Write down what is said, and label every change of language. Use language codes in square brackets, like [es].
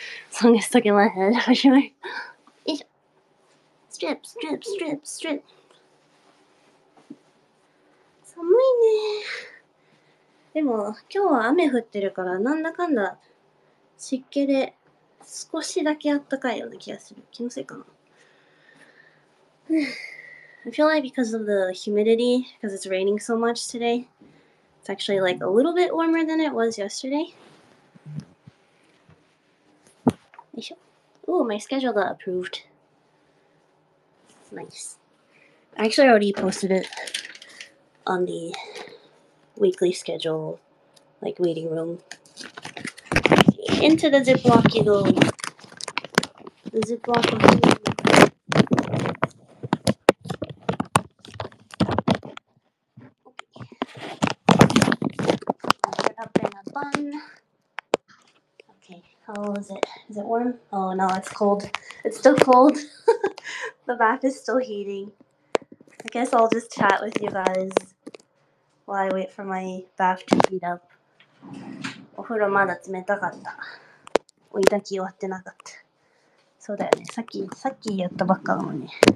[en] Song is stuck in my head, actually. Strip, strip, strip, strip. [ja] 寒いね。でも今日は雨降ってるからなんだかんだ湿気で少しだけあったかいような気がする。気のせいかな。 [en] I feel like because of the humidity, because it's raining so much today, it's actually like a little bit warmer than it was yesterday. Ooh, my schedule got approved. Nice. I actually already posted it on the weekly schedule, like waiting room. Into the Ziploc you go. The Ziploc of food. Okay. I'm wrapping a bun. Okay, how is it? Is it warm? Oh no, it's cold. It's still cold. The bath is still heating. I guess I'll just chat with you guys while I wait for my bath to heat up. [ja] お風呂まだ冷たかった。追い炊き終わってなかった。そうだよね。さっきやったばっかだもんね。